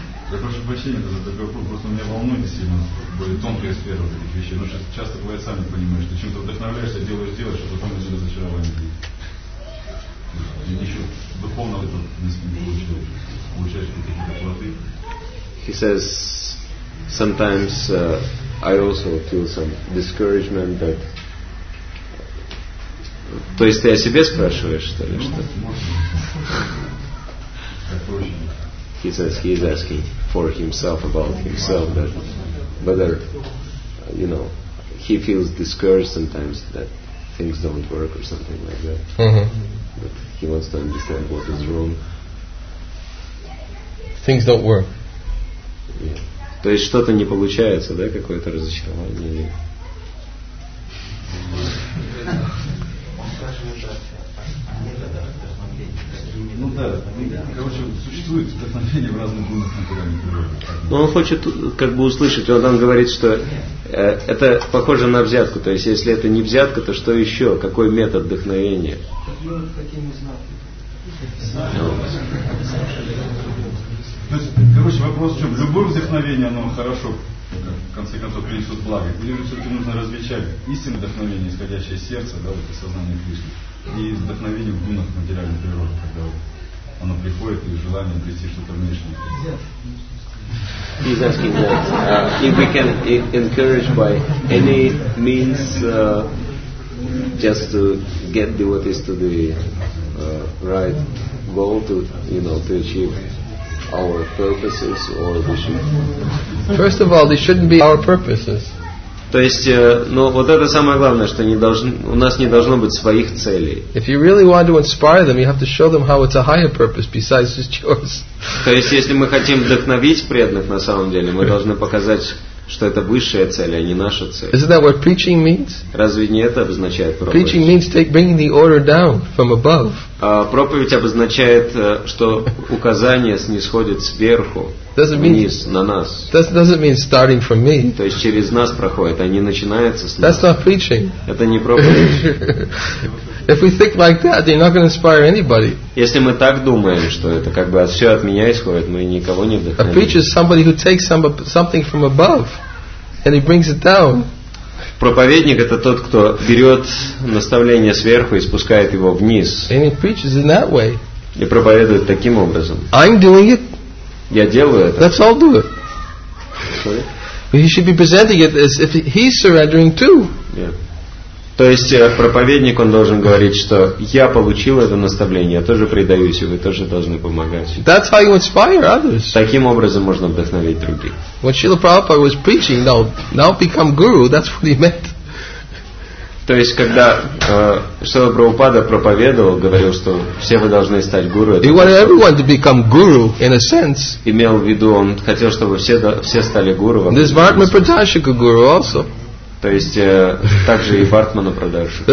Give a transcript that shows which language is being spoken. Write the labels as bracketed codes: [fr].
[ru] Я прошу прощения, это такой вопрос, просто меня волнует сильно более тонкая сфера таких вещей. Но сейчас часто бывает, сами понимаешь, что чем-то вдохновляешься, делаешь, а потом начинаешь разочарование. И еще духовно это не получаешь какие-то плоды. [en] He says, sometimes I also feel some discouragement that. [ru] То есть ты о себе спрашиваешь, что ли, что? [en] He says he is asking for himself about himself. whether, you know, he feels discouraged sometimes that things don't work or something like that. Mm-hmm. But he wants to understand what is wrong. Things don't work. Yeah. [ru] То есть что-то не получается, да, какое-то разочарование. Он существует вдохновение в разных гунах натуральной. Но он хочет как бы услышать, он там говорит, что это похоже на взятку. То есть если это не взятка, то что еще? Какой метод вдохновения? То есть, короче, вопрос в чем? Любое вдохновение, оно хорошо, в конце концов, принесет благо. Или же все-таки нужно различать истинное вдохновение, исходящее из сердца, да, вот из сознания Кришны, и вдохновение в гунах материальной природы, когда оно приходит и желание обрести что-то внешнее. [en] He's asking that if we can encourage by any means just to get devotees to the right goal to, you know, to achieve our purposes or vision. First of all, they shouldn't be our purposes. [ru] То есть, ну вот это самое главное, что не должно, у нас не должно быть своих целей. [en] If you really want to inspire them, you have to show them how it's a higher purpose besides just yours. [ru] То есть, если мы хотим вдохновить преданных на самом деле, мы должны показать, что это высшая цель, а не наша цель. [en] Isn't that what preaching means? [ru] Разве не это обозначает проповедь? [en] Preaching means bringing the order down from above. [ru] Проповедь обозначает, что указание снисходит сверху. [en] Doesn't mean [ru] вниз, на нас. [en] Doesn't mean starting from me. [ru] То есть через нас проходит, а не начинается с нас. [en] That's not preaching. [ru] Это не проповедь. [en] If we think like that, you're not going to inspire anybody. [ru] Если мы так думаем, что это как бы все от меня исходит, мы никого не вдохновим. [en] A preacher is somebody who takes something from above and he brings it down. [ru] Проповедник — это тот, кто берет наставление сверху и спускает его вниз. [en] And he preaches in that way. [ru] И проповедует таким образом. [en] I'm doing it. [ru] Я делаю это. [en] Let's all do it. Sorry? He should be presenting it as if he's surrendering too. Yeah. [ru] То есть проповедник, он должен говорить, что я получил это наставление, я тоже предаюсь, и вы тоже должны помогать. [en] That's how you inspire others. [ru] Таким образом можно вдохновить других. [en] When Srila Prabhupada was preaching, now become guru, that's what he meant. [ru] То есть, когда Шрила Прабхупада проповедовал, говорил, что все вы должны стать гуру, [en] he wanted everyone to become guru, in a sense. [ru] Имел в виду, он хотел, чтобы все стали гуру. [en] This Vartmana Pradarshika guru also. [ru] То есть, также и Вартмана Прадаршика.